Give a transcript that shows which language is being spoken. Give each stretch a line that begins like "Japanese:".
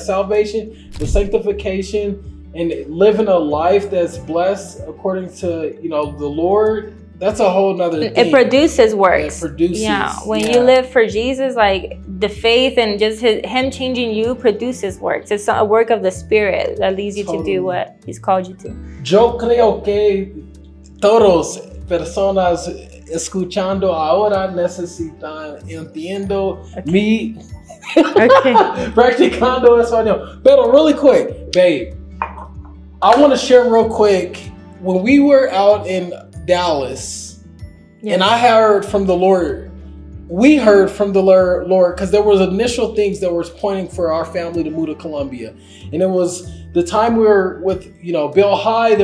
English: Salvation, the sanctification, and living a life that's blessed according to, you know, the Lord. That's a whole nother thing. It produces works. It produces. Yeah. When you live for Jesus, like the faith and just him changing you produces works. It's a work of the spirit that leads you to do what he's called you to.
Spanish: Yo creo que todos personas escuchando ahora necesitan entiendo mi practicando español.
English: Pero really quick, babe, I want to share real quick. When we were out in Dallas, and I heard from the Lord, we heard from the Lord, because there was initial things that was pointing for our family to move to Columbia, and it was the time we were with, you know, Bill High.